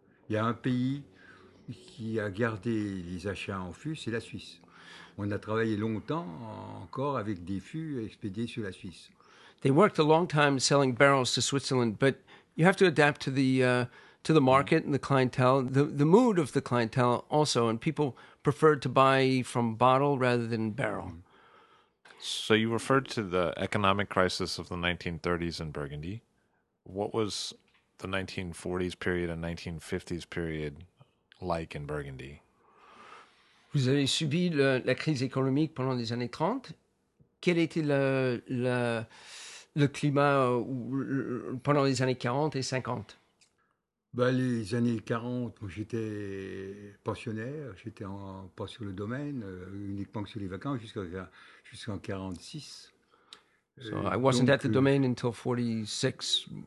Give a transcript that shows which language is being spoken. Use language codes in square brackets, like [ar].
[fr] Il y a un pays qui a gardé les achats en fût, c'est la Suisse. On a travaillé longtemps encore avec des fûts expédiés sur la Suisse. [en] They worked a long time selling barrels to Switzerland, but you have to adapt to the market and the clientele, the mood of the clientele also, and people preferred to buy from bottle rather than barrel. So you referred to the economic crisis of the 1930s in Burgundy. What was the 1940s period and 1950s period like in Burgundy? [fr] Vous avez subi la crise économique pendant les années 30. Quel était le climat pendant les années 40 et 50? Ben, les années 40, moi, j'étais pensionnaire, j'étais pas sur le domaine, uniquement sur les vacances, jusqu'en 46. [en] So I wasn't at the domain until 46.